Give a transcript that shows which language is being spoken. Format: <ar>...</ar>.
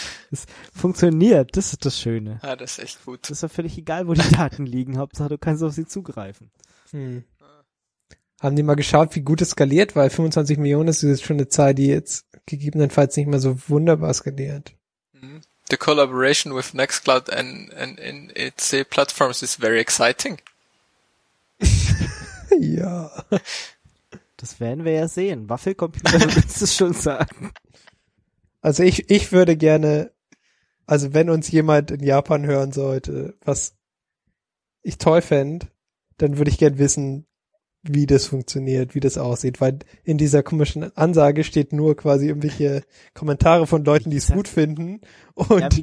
<de>Es funktioniert. Das ist das Schöne. Ja, das ist echt gut. Das ist doch völlig egal, wo die Daten liegen. Hauptsache, du kannst auf sie zugreifen. Haben die mal geschaut, wie gut es skaliert, weil 25 Millionen ist schon eine Zahl, die jetzt gegebenenfalls nicht mehr so wunderbar skaliert.</de> <en>The collaboration with Nextcloud and in its platforms is very exciting.</en> <de>Ja. Das werden wir ja sehen. Waffelcomputer, du willst es schon sagen. Also ich würde gerne, also wenn uns jemand in Japan hören sollte, was ich toll fände, dann würde ich gern wissen, wie das funktioniert, wie das aussieht, weil in dieser komischen Ansage steht nur quasi irgendwelche Kommentare von Leuten, die es gut finden und</de>